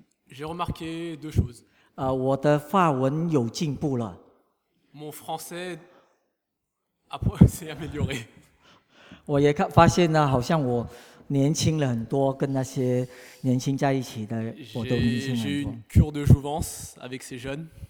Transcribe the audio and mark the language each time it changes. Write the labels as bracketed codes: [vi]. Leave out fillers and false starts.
[fr] J'ai remarqué deux choses. [zh] 我的法文有进步了。 [fr] Mon français s'est amélioré. [zh] 我也发现呢，好像我年轻了很多，跟那些年轻在一起的我都年轻很多。 [fr] J'ai une cure de jouvence avec ces jeunes.